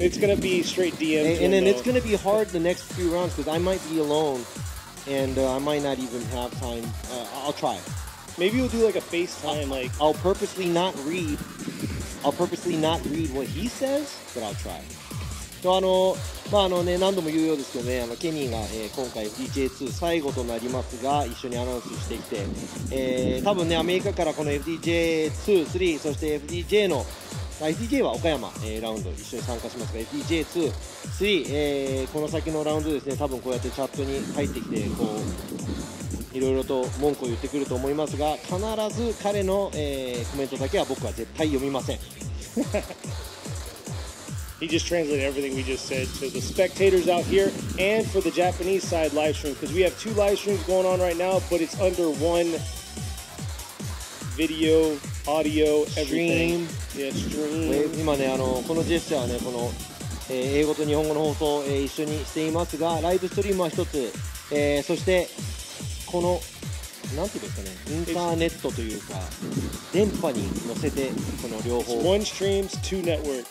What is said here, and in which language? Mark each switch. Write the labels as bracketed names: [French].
[English] It's going to be straight DMs. And then it's going to be hard the next few rounds because I might be alone. And I might not even have time. I'll try. Maybe we'll do like a FaceTime. I'll purposely not read what he says, but I'll try. [Japanese] とあのまああのね何度も言うようですけどね、あのケニーが、今回 FDJ2 最後となりますが一緒にアナウンスしてきて、多分ねアメリカからこの FDJ2、3そして FDJ の。 FDJ は岡山、ラウンド一緒に参加しますが FDJ2、3、この先のラウンドですね多分こうやってチャットに入ってきてこういろいろと文句を言ってくると思いますが必ず彼の、コメントだけは僕は絶対読みません。 [English] He just translated everything we just said to the spectators out here and for the Japanese side live stream because we have two live streams going on right now but it's under one video, audio, everything. Yeah, [Japanese] 今ねあのこのジェスチャーはねこの、英語と日本語の放送を、一緒にしていますがライブストリームは一つ、そしてこのなんていうんですかねインターネットというか電波に乗せてこの両方 [English] one streams, two networks.